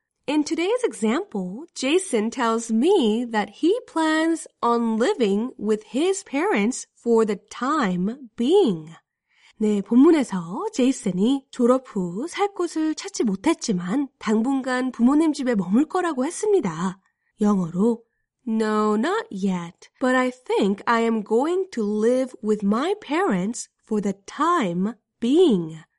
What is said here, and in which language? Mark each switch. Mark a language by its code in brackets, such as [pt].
[en] In today's example, Jason tells me that he plans on living with his parents for the time being. [ko] 네, 본문에서 제이슨이 졸업 후 살 곳을 찾지 못했지만 당분간 부모님 집에 머물 거라고 했습니다. 영어로 [en] No, not yet. But I think I am going to live with my parents for the time being.